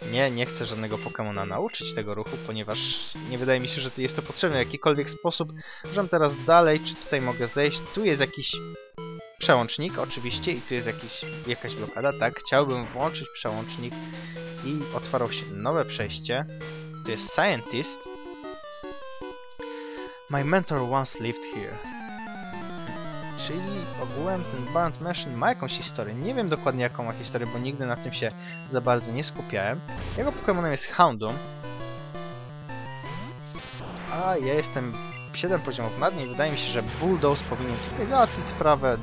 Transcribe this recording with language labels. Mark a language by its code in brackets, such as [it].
[pl] Nie chcę żadnego Pokemona nauczyć tego ruchu, ponieważ nie wydaje mi się, że jest to potrzebne w jakikolwiek sposób. Możemy teraz dalej, czy tutaj mogę zejść? Tu jest jakiś przełącznik, oczywiście, i tu jest jakaś blokada, tak? Chciałbym włączyć przełącznik i otwarło się nowe przejście. To jest Scientist. [en] My mentor once lived here. [pl] Czyli ogółem ten Band Machine ma jakąś historię. Nie wiem dokładnie, jaką ma historię, bo nigdy na tym się za bardzo nie skupiałem. Jego Pokémonem jest Houndoom. A ja jestem 7 poziomów nad nim. Wydaje mi się, że Bulldoze powinien tutaj załatwić sprawę.